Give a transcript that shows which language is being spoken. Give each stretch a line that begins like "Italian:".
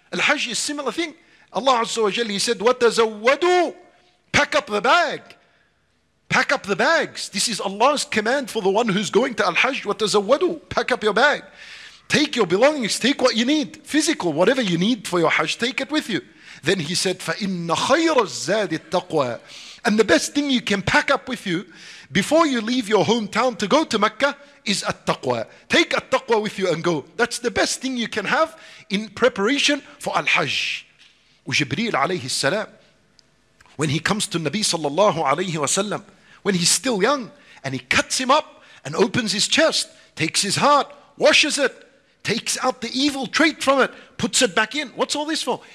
English: Al-Hajj is similar thing. Allah Azza wa Jalla, He said,
Arabic: وَتَزَوَّدُوا.
English: Pack up the bag. Pack up the bags. This is Allah's command for the one who's going to Al-Hajj.
Arabic: وَتَزَوَّدُوا.
English: Pack up your bag. Take your belongings. Take what you need. Physical, whatever you need for your Hajj, take it with you. Then He said,
Arabic: فَإِنَّ خَيْرَ الزَّادِ التَّقْوَى.
English: And the best thing you can pack up with you before you leave your hometown to go to Mecca is at-taqwa. Take at-taqwa with you and go. That's the best thing you can have in preparation for al-hajj. Jibreel alayhi salam, when he comes to Nabi sallallahu alayhi wa sallam, when he's still young, and he cuts him up and opens his chest, takes his heart, washes it, takes out the evil trait from it, puts it back in. What's all this for?